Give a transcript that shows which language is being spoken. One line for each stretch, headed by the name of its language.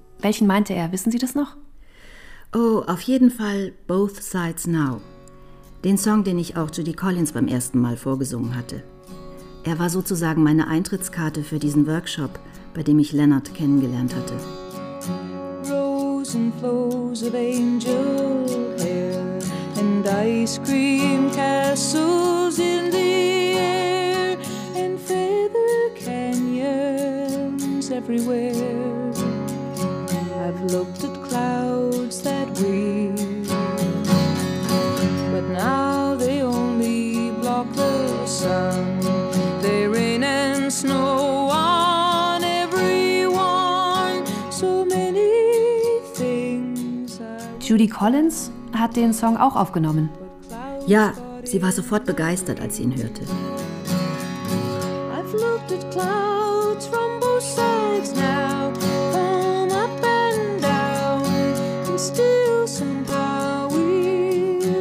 German: Welchen meinte er? Wissen Sie das noch? Oh, auf jeden Fall Both Sides Now. Den Song, den ich auch Judy Collins beim ersten Mal vorgesungen hatte. Er war sozusagen meine Eintrittskarte für diesen Workshop, bei dem ich Leonard kennengelernt hatte.
English: Rose and flows of angel hair and ice cream castles in the air and feather canyons everywhere. I've looked at clouds that weep, but now they only block the sun. They rain and snow on everyone. So many things.
German: Judy Collins hat den Song auch aufgenommen. Ja, sie war sofort begeistert, als sie ihn hörte.
English: I've looked at clouds from both sides. Now, come up and down, and still somehow we